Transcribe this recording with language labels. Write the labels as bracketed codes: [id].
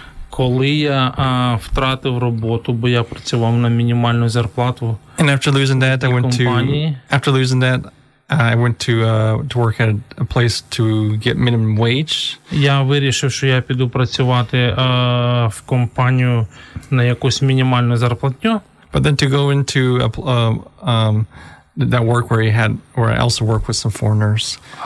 [uk] Коли я втратив роботу, бо я працював на мінімальну зарплату. [en] And after losing that, I went [uk] компанії. [en] To work at a place to get minimum wage. [uk] Я вирішив, що я піду працювати в компанію на якусь мінімальну зарплатню. [en] But then to go into that work where I also work with some foreigners.